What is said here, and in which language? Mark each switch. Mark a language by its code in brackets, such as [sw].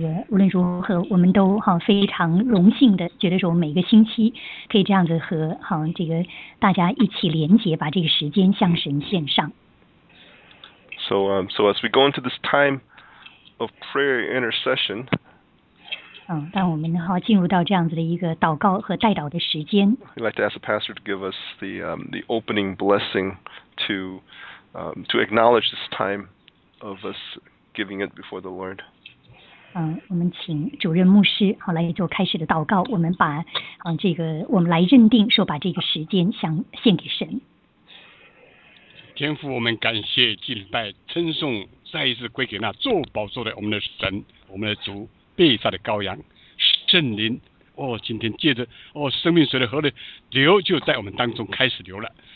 [zh] 无论如何，我们都哈非常荣幸的觉得说，每个星期可以这样子和哈这个大家一起连结，把这个时间向神献上。 [en] So as we go into this time of prayer intercession, [zh] 当我们哈进入到这样子的一个祷告和代祷的时间 [en] ，We'd like to ask the pastor to give us the opening blessing to acknowledge this time of us giving it before the Lord. [zh] 我们请主任牧师好来做开始的祷告。我们把这个我们来认定说把这个时间想献给神。天父，我们感谢敬拜称颂再一次归给那坐宝座的我们的神，我们的主，被杀的羔羊，圣灵今天借着生命水的河的流就在我们当中开始流了。